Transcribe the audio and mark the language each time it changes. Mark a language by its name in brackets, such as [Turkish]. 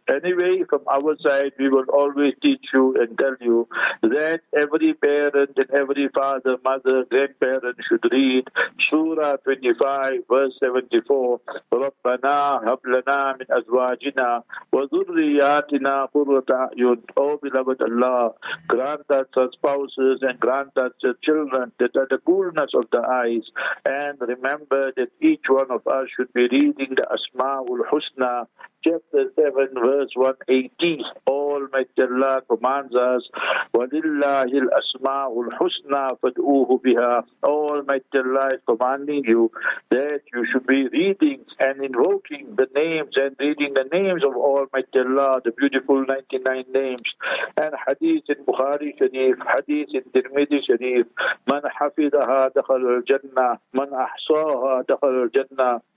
[English] Anyway, from our side, we will always teach you and tell you that every parent and every father, mother, grandparent should read Surah 25, verse 74, [Arabic] رَبَّنَا هَبْ لَنَا مِنْ أَزْوَاجِنَا وَذُرِّيَاتِنَا قُرَّةَ أَعْيُنٍ. [English] O beloved Allah, grant us our spouses and grant us our children that are the coolness of the eyes, and remember that each one of us should be reading the Asma'ul Husna, chapter 7, verse 180. Almighty Allah commands us, [Arabic] وَلِلَّهِ الْأَسْمَاءُ الْحُسْنَى فَدْعُوهُ بِهَا. [English] Almighty Allah is commanding you that you should be reading and invoking the names and reading the names of Almighty Allah, the beautiful 99 names. And hadith in Bukhari Sharif, hadith in Tirmidhi Sharif, [Arabic] مَنْ حَفِدَهَا دَخَلُ الْجَنَّةِ [English] مَنْ أَحْصَاهَا دَخَلُ الْجَنَّةِ.